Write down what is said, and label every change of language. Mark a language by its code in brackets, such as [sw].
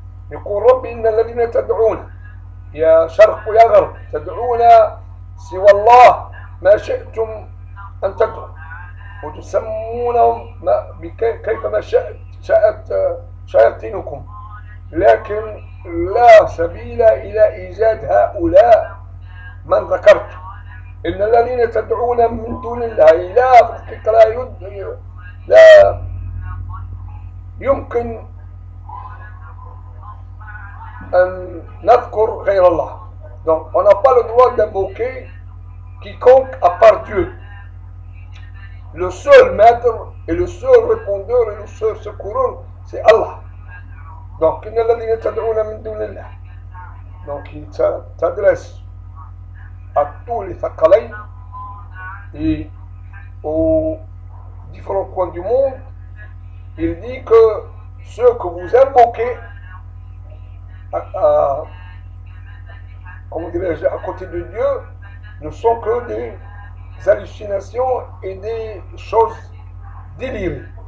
[ar] يقول ربي إن الذين تدعون، يا شرق يا غرب، تدعون سوى الله ما شئتم أن تدعوا وتسمونهم كيفما شاءت شياطينكم، لكن لا سبيل إلى إيجاد هؤلاء من ذكرت. إن الذين تدعون من دون الله لا حقيقة لا يمكن أن نذكر غير الله. [fr] Donc on n'a pas le droit d'invoquer quiconque à part Dieu. Le seul maître et le seul répondeur et le seul secoureur, c'est Allah. Donc [ar] إن الذين تدعون من دون الله. [fr] Donc il t'adresse à tous les Thakalai et aux différents coins du monde. Il dit que ceux que vous invoquez à côté de Dieu ne sont que des hallucinations et des choses délirées.